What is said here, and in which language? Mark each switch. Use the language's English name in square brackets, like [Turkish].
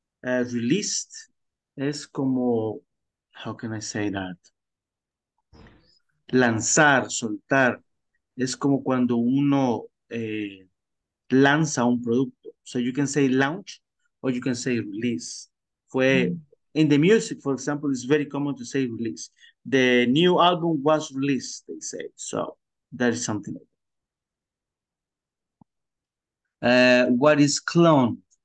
[English] Released [Spanish] es como, [English] how can I say that? [Spanish] Lanzar, soltar, es como cuando uno lanza un producto. [English] So you can say launch or you can say release. [Spanish] Fue, [English] in the music, for example, it's very common to say release. The new album was released, they say. So that is something like that. What is clone?